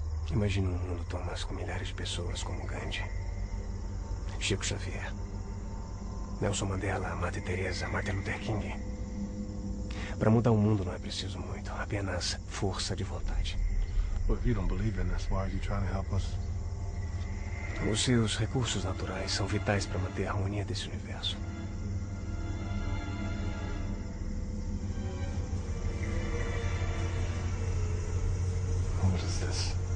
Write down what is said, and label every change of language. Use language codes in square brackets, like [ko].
[pt] Imagine um mundo, Thomas, com milhares de pessoas como Gandhi, Chico Xavier, Nelson Mandela, Madre Teresa, Martin Luther King. Para mudar o mundo não é preciso muito, apenas força de vontade. [en] Well, if you don't believe in us, why are you trying to help us? [pt] Os seus recursos naturais são vitais para manter a harmonia desse universo. [en] What is this?